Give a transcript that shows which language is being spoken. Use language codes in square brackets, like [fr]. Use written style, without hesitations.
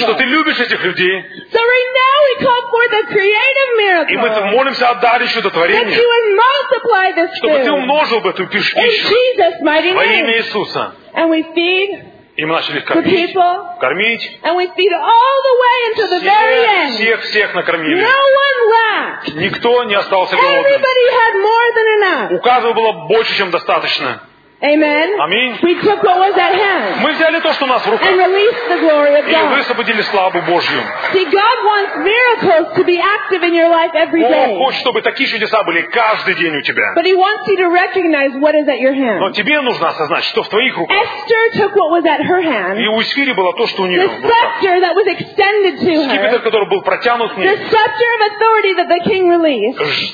[ru] что ты любишь этих людей. [en] So right now we call for the creative miracle. [ru] И мы молимся о даре чудотворения. [en] That you would multiply this food. [ru] Чтобы ты умножил бы эту пищу. [en] In Jesus' mighty name. [ru] Во имя Иисуса. [en] And we feed. [ru] И мы начали их кормить. [en] And we feed all the way until the very end. [ru] Всех накормили. [en] No one lacked. [ru] Никто не остался голодным. [en] Everybody had more than enough. [ru] У каждого было больше, чем достаточно. [en] Amen. [ru] Аминь. [en] We took what was at hand. [ru] Мы взяли то, что у нас в руках. [en] And released the glory of God. [ru] И высвободили славу Божью. [en] See, God wants miracles to be active in your life every day. [ru] Бог хочет, чтобы такие чудеса были каждый день у тебя. [en] But He wants you to recognize what is at your hand. [ru] Но тебе нужно осознать, что в твоих руках. [en] Esther took what was at her hand. [ru] И у Эсхири было то, что у нее. [en] The scepter that was extended to her. [ru] Скипетр, который был протянут к ней. [en] The scepter of authority that the king released.